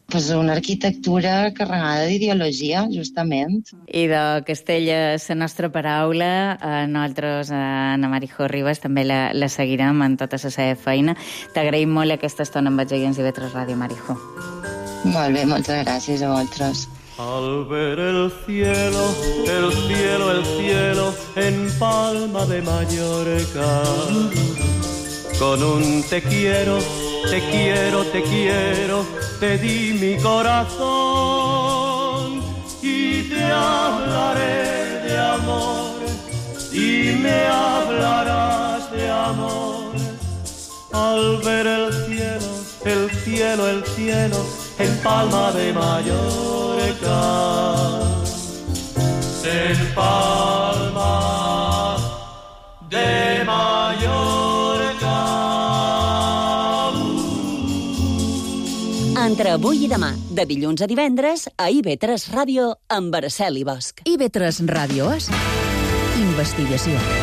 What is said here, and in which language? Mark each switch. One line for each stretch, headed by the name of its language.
Catalan: Pues una arquitectura carregada d'ideologia, justament. I de castell és la nostra paraula. Nosaltres, a Marijo Ribas, també la seguirem en tota la seva feina. T'agraïm molt aquesta estona amb els oients d'Ivetres Ràdio, Marijo. Molt bé, moltes gràcies a vosaltres.
Spanish: Al ver el cielo, el cielo, en Palma de Mallorca, con un te quiero, te quiero, te quiero, te di mi corazón y te hablaré de amor y me hablarás de amor. Al ver el cielo, el cielo, el cielo, en Palma de Mallorca, en Palma de Mallorca.
Catalan: Entre avui i demà, de dilluns a divendres, a IB3 Ràdio, amb Araceli Bosch. IB3 Ràdio és investigació.